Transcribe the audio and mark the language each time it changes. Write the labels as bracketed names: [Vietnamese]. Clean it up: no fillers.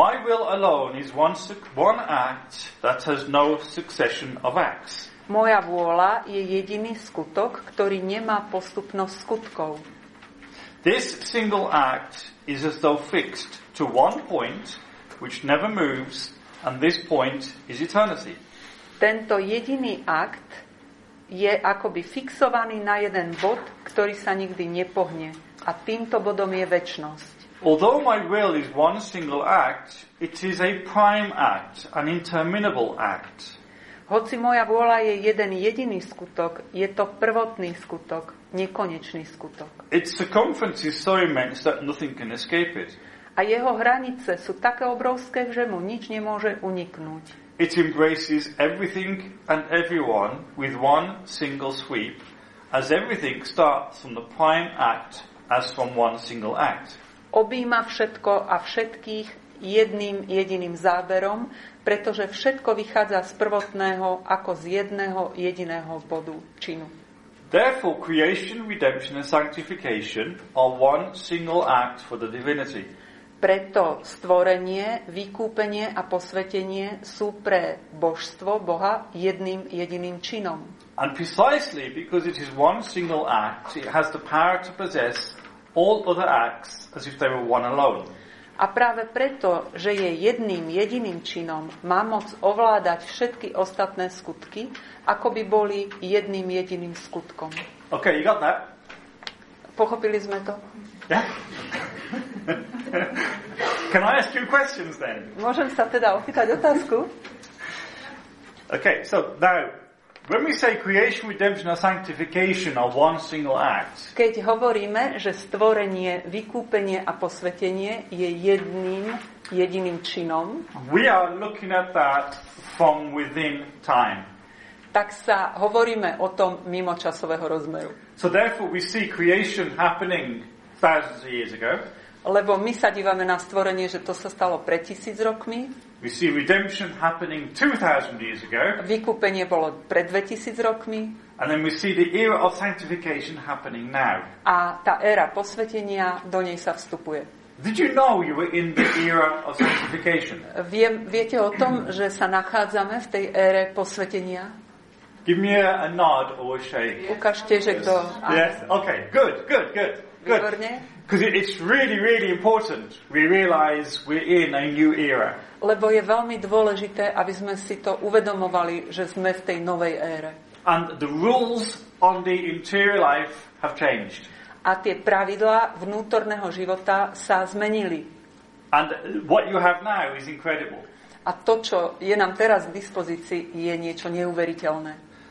[English] My will alone is one act that has no succession of acts. [Slovak] Moja vôľa je jediný skutok, ktorý nemá postupnosť skutkov. [English] This single act is as though fixed to one point, which never moves, and this point is eternity. [Slovak] Tento jediný akt je akoby fixovaný na jeden bod, ktorý sa nikdy nepohne, a týmto bodom je večnosť. [English] Although my will is one single act, it is a prime act, an interminable act. [Slovak] Hoci moja vôľa je jeden jediný skutok, je to prvotný skutok, nekonečný skutok. [English] Its circumference is so immense that nothing can escape it. [Slovak] A jeho hranice sú také obrovské, že mu nič nemôže uniknúť. [English] It embraces everything and everyone with one single sweep, as everything starts from the prime act as from one single act. [Slovak] Obíma všetko a všetkých jedným jediným záberom, pretože všetko vychádza z prvotného ako z jedného jediného bodu činu. [English] Therefore, creation, redemption and sanctification are one single act for the divinity. [Slovak] Preto stvorenie, vykúpenie a posvetenie sú pre božstvo Boha jedným jediným činom. [English] And precisely because it is one single act, it has the power to possess all other acts as if they were one alone. [Slovak] A práve preto, že je jedným jediným činom, má moc ovládať všetky ostatné skutky, ako by boli jedným jediným skutkom. [English] Okay, you got that? [Slovak] Pochopili sme to? [English] Yeah. Can I ask you questions then? [Slovak] Môžem sa teda opýtať otázku? [English] Okay, so now when we say creation, redemption and sanctification are one single act. [Slovak] Keď hovoríme, že stvorenie, vykúpenie a posvetenie je jedným jediným činom. [English] We are looking at that from within time. [Slovak] Tak sa hovoríme o tom mimo časového rozmeru. [English] So therefore we see creation happening thousands of years ago. [Slovak] Lebo my sa dívame na stvorenie, že to sa stalo pred 1000 rokmi. [English] We see redemption happening 2000 years ago. [Slovak] Vykúpenie bolo pred 2000 rokmi. [English] And then we see the era of sanctification happening now. [Slovak] A tá éra posvetenia, do nej sa vstupuje. [English] Did you know you were in the era of sanctification? [Slovak] Viete o tom, že sa nachádzame v tej ére posvetenia? [English] Give me a nod or a shake. [Slovak] Ukážte, že kto... [English] Yes. Okay, good. [Slovak] Výborne. [English] Because it's really, really important we realize we're in a new era. [Slovak] Lebo je veľmi dôležité, aby sme si to uvedomovali, že sme v tej novej ére. [English] And the rules on the interior life have changed. [Slovak] A tie pravidlá vnútorného života sa zmenili. [English] And what you have now is incredible. [Slovak] A to, čo je nám teraz k dispozícii, je niečo neuveriteľné.